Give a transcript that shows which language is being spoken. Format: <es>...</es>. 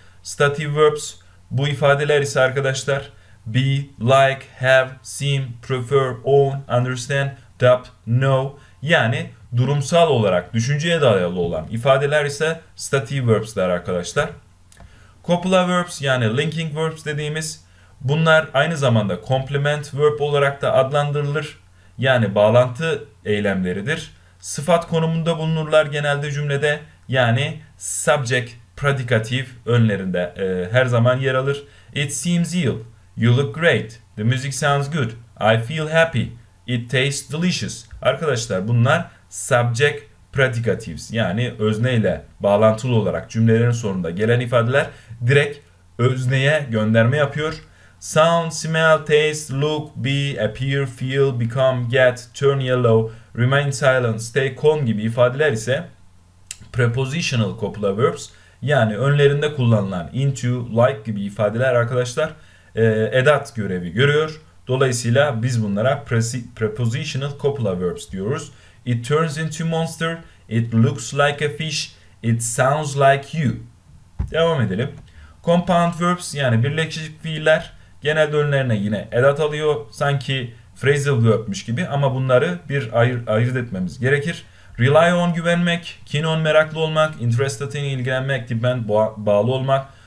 <tr>Stative verbs bu ifadeler ise arkadaşlar be, like, have, seem, prefer, own, understand, doubt, know. Yani durumsal olarak düşünceye dayalı olan ifadeler ise stative verbs'ler arkadaşlar. Couple verbs yani linking verbs dediğimiz bunlar aynı zamanda complement verb olarak da adlandırılır. Yani bağlantı eylemleridir. Sıfat konumunda bulunurlar genelde cümlede. Yani subject, predicative önlerinde her zaman yer alır.</tr> <en>It seems ill. You look great. The music sounds good. I feel happy. It tastes delicious.</en> <tr>Arkadaşlar bunlar</tr> <en>subject predicatives.</en> <tr>Yani özne ile bağlantılı olarak cümlelerin sonunda gelen ifadeler direkt özneye gönderme yapıyor. Sound, smell, taste, look, be, appear, feel, become, get, turn yellow, remain silent, stay calm gibi ifadeler ise prepositional couple verbs, yani önlerinde kullanılan into, like gibi ifadeler arkadaşlar edat görevi görüyor. Dolayısıyla biz bunlara prepositional couple verbs diyoruz.</tr> <en>It turns into monster, it looks like a fish, it sounds like you.</en> <tr>Devam edelim. Compound verbs yani birleşik fiiller. Genelde önlerine yine edat alıyor. Sanki phrasal verbmiş gibi ama bunları bir ayırt etmemiz gerekir. Rely on güvenmek, keen on meraklı olmak, interested in ilgilenmek, depend bağlı olmak.</tr>